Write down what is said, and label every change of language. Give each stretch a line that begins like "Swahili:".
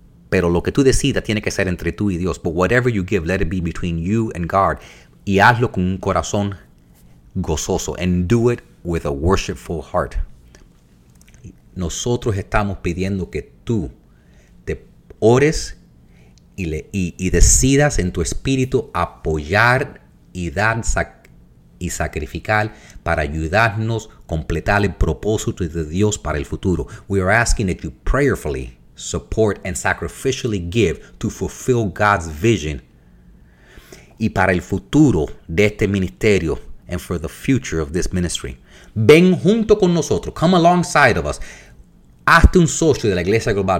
Spanish: Pero lo que tú decidas tiene que ser entre tú y Dios.
English: But whatever you give, let it be between you and God.
Spanish: Y hazlo con un corazón gozoso.
English: And do it with a worshipful heart.
Spanish: Nosotros estamos pidiendo que tú te ores y decidas en tu espíritu apoyar y dar y sacrificar para ayudarnos completar el propósito de Dios para el futuro.
English: We are asking that you prayerfully support and sacrificially give to fulfill God's vision
Spanish: y para el futuro de este ministerio
English: and for the future of this ministry.
Spanish: Ven junto con nosotros.
English: Come alongside of us.
Spanish: Hazte un socio de la Iglesia Global.